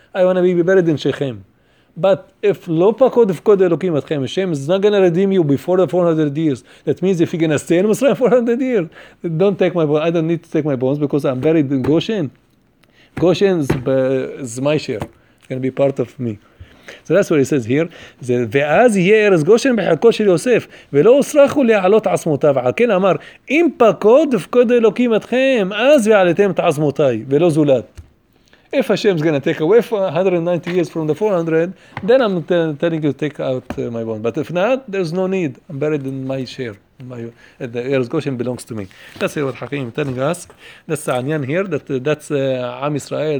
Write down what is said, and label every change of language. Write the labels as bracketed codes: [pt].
[en] I want to be buried in Shechem. But if [he] lo pakod of kod Elohim atchem, [en] Hashem is not going to redeem you before the 400 years. That means if you're going to stay in Mitzrayim 400 years, don't take my bones. I don't need to take my bones because I'm buried in Goshen. Goshen is my share. It's going to be part of me. So that's what he says here. [he] ואז יהיה ארץ גושן בחלקו של יוסף, ולא הוסרחו להעלות עצמותיו. על כן אמר, אם פקוד פקוד אלוקים אתכם, אז ועליתם את עצמותיי, ולא זולת. [en] If Hashem is going to take away 190 years from the 400, then I'm telling you to take out my bone. But if not, there's no need. I'm buried in my share. The ארץ גושן belongs to me. That's what Hakim is telling us. That's the Anyan here. That's Am Israel.